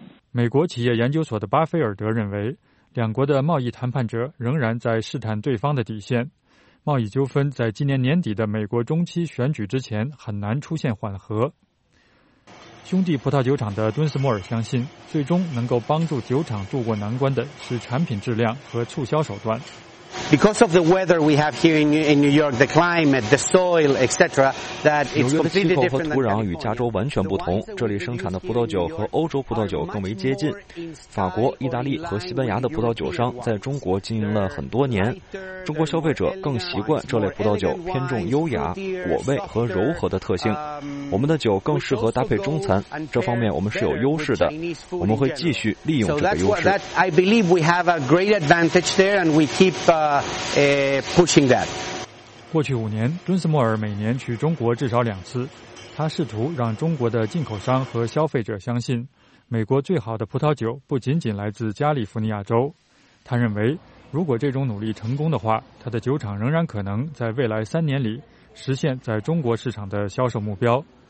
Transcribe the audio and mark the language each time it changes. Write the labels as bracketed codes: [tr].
[zh] 美国企业研究所的巴菲尔德认为，两国的贸易谈判者仍然在试探对方的底线，贸易纠纷在今年年底的美国中期选举之前很难出现缓和。兄弟葡萄酒厂的敦斯摩尔相信，最终能够帮助酒厂渡过难关的是产品质量和促销手段。 [en] Because of the weather we have here in New York, the climate, the soil, etc., that it's completely different. [zh] 纽约的气候和土壤与加州完全不同，这里生产的葡萄酒和欧洲葡萄酒更为接近。法国、意大利和西班牙的葡萄酒商在中国经营了很多年，中国消费者更习惯这类葡萄酒，偏重优雅、果味和柔和的特性。我们的酒更适合搭配中餐，这方面我们是有优势的。我们会继续利用这个优势。 [en] I believe we have a great advantage there, and we keep. Pushing that. [zh] 过去5年，敦斯摩尔每年去中国至少2次，他试图让中国的进口商和消费者相信，美国最好的葡萄酒不仅仅来自加利福尼亚州。他认为，如果这种努力成功的话，他的酒厂仍然可能在未来3年里实现在中国市场的销售目标。